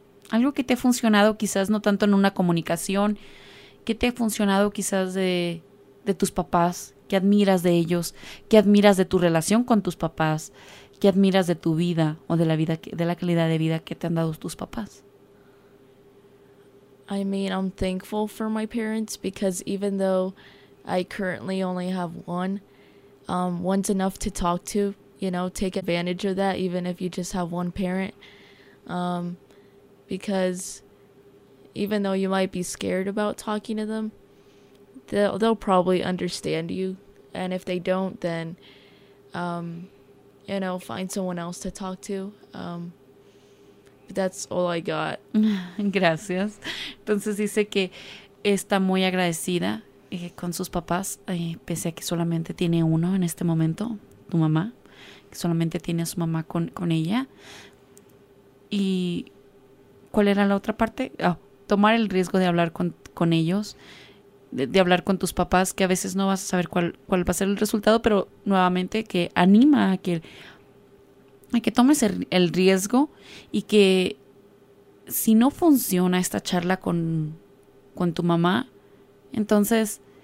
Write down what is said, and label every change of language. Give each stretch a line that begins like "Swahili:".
Spanish: Algo que te ha funcionado quizás no tanto en una comunicación, que te ha funcionado quizás de tus papás, que admiras de ellos, que admiras de tu relación con tus papás, que admiras de tu vida o de la vida que, de la calidad de vida que te han dado tus papás.
English: I mean, I'm thankful for my parents because even though I currently only have one, one's enough to talk to, you know, take advantage of that even if you just have one parent. Because even though you might be scared about talking to them, they'll probably understand you. And if they don't, then, you know, find someone else to talk to. That's all I got.
Spanish: Gracias. Entonces dice que está muy agradecida con sus papás, pese a que solamente tiene uno en este momento, tu mamá, que solamente tiene a su mamá con ella. Y ¿cuál era la otra parte? Tomar el riesgo de hablar con ellos, de hablar con tus papás, que a veces no vas a saber cuál va a ser el resultado, pero nuevamente que anima a que tomes el riesgo, y que si no funciona esta charla con tu mamá, entonces